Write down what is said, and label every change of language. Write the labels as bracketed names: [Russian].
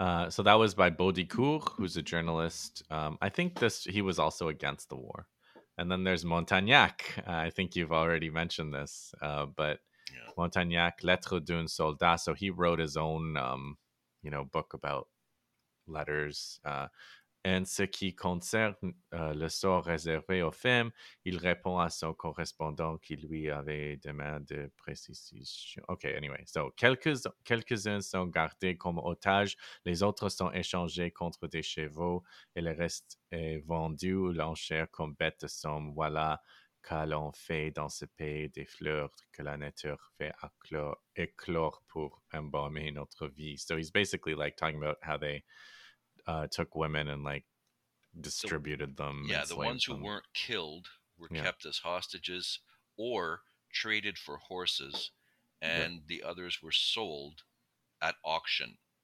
[English] So that was by Baudicourt, who's a journalist. I think he was also against the war. And then there's Montagnac. I think you've already mentioned this, Montagnac, Lettre d'un soldat. So he wrote his own, book about letters. [French] En ce qui concerne le sort réservé aux femmes, il répond à son correspondant qui lui avait demandé de précisions. [English] Okay, anyway. [French] So quelques-uns sont gardés comme otages, les autres sont échangés contre des chevaux et le reste est vendu ou l'enchère comme bête de somme. Voilà qu'à l'on fait dans ce pays des fleurs que la nature fait éclore pour embaumer notre vie. [English] So he's basically like talking about how they took women and like distributed them. Yeah, the ones who weren't killed were kept as hostages or traded for horses, and the others were sold at auction.